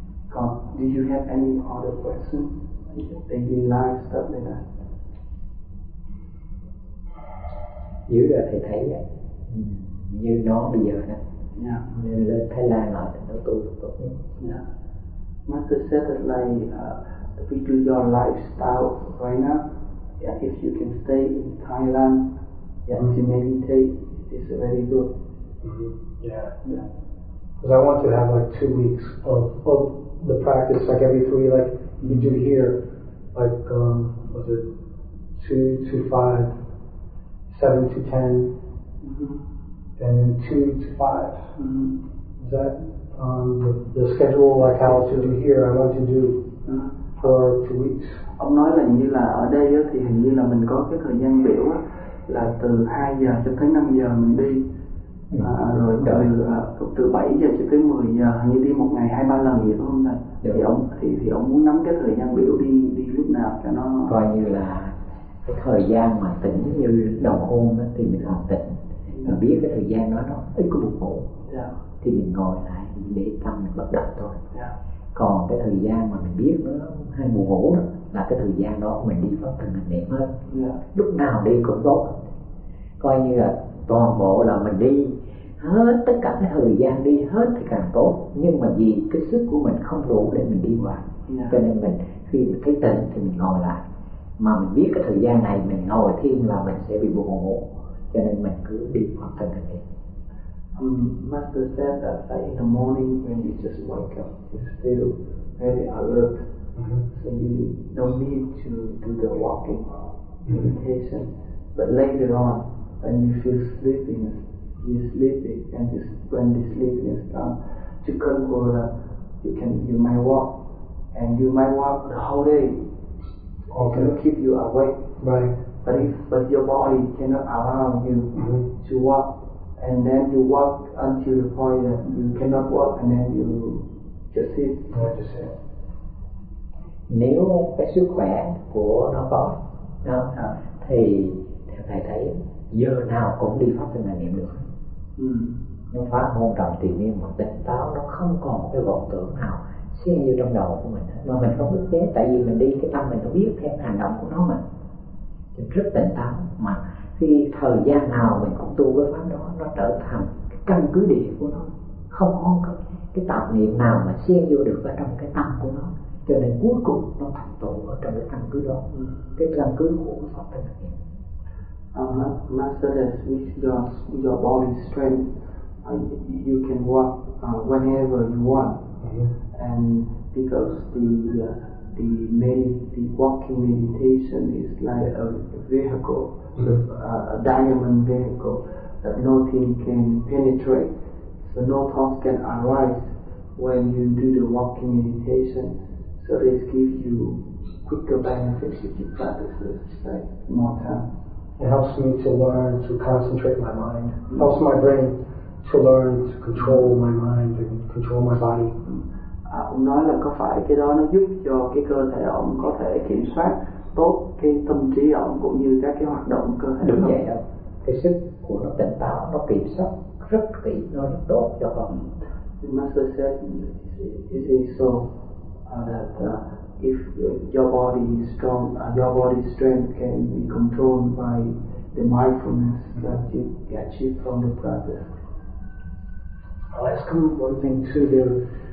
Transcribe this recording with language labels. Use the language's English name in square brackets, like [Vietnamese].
[English] Còn, do you have any other question? Daily life stuff like that. [Vietnamese] Giữ ra thầy thấy á, như nó bây giờ nè. Nên là thầy lai lại thì nó tu được tốt nhất. [English] Yeah. Master said that like, if you do your lifestyle right now, yeah, if you can stay in Thailand, yeah, to meditate, it's very good. Because I want to have like 2 weeks of the practice, like every 3, like we do here, like was it 2 to 5, 7 to 10, and then 2 to 5. Is that the schedule like how to do here? I want to do for 2 weeks. [Vietnamese] Ông nói là như là ở đây á, thì hình như là mình có cái thời gian biểu á, là từ 2 giờ cho tới 5 giờ mình đi. Rồi từ 7 giờ cho tới 10 giờ như đi một ngày 2-3 lần vậy thôi này. Thì ông thì ông muốn nắm cái thời gian biểu đi lúc nào cho nó coi như là cái thời gian mà tỉnh như đầu hôm đó, thì mình làm tỉnh và biết cái thời gian đó nó ít có buồn ngủ thì mình ngồi lại để tâm mình bắt đầu thôi. Còn cái thời gian mà mình biết nó hay buồn ngủ đó, là cái thời gian đó mình đi phát tâm mình niệm hết. Lúc nào đi cũng tốt, coi như là toàn bộ là mình đi hết tất cả cái thời gian đi hết thì càng tốt, nhưng mà vì cái sức của mình không đủ để mình đi hoài cho nên mình khi mình thấy tỉnh thì mình ngồi lại, mà mình biết cái thời gian này mình ngồi thêm là mình sẽ bị buồn ngủ cho nên mình cứ đi hoặc thân thể đi. [English] Master said that like in the morning when you just wake up you're still very alert, so you don't need to do the walking meditation, but later on and you feel sleepiness, you sleep it, and this, when the sleepiness starts to control, you might walk, and you might walk the whole day. Okay. It can keep you awake. Right. But your body cannot allow you to walk, and then you walk until the point that you cannot walk, and then you just sit. Yeah, just sit. [Vietnamese] Nếu cái sức khỏe của nó có, thì theo thầy thấy giờ nào cũng đi pháp thân hành niệm được. Nó phá hôn trầm thì niệm mà tỉnh táo, nó không còn cái vọng tưởng nào xen vô trong đầu của mình mà mình không biết chết, tại vì mình đi cái tâm mình nó biết theo hành động của nó mà rất tỉnh táo. Mà khi thời gian nào mình cũng tu cái pháp đó, nó trở thành cái căn cứ địa của nó, không có cái tạp niệm nào mà xen vô được ở trong cái tâm của nó, cho nên cuối cùng nó thành tựu ở trong cái căn cứ đó, cái căn cứ của pháp thân hành niệm. [English] Master has reached your body strength, you can walk whenever you want. And because the walking meditation is like a vehicle, a diamond vehicle that nothing can penetrate, so no thoughts can arise when you do the walking meditation. So this gives you quicker benefits if you practice this, like more time. It helps me to learn to concentrate my mind. It helps my brain to learn to control my mind and control my body. [Vietnamese] Ông nói là có phải cái đó nó giúp cho cái cơ thể ông có thể kiểm soát tốt cái tâm trí ông cũng như các cái hoạt động cơ thể. Đúng vậy ạ. Cái sức của nó tỉnh táo, nó kiểm soát rất kỹ, nó rất tốt cho ông. [English] The master said, is it so that if your body is strong, your body strength can be controlled by the mindfulness that you achieve from the practice. I'll ask him one thing too.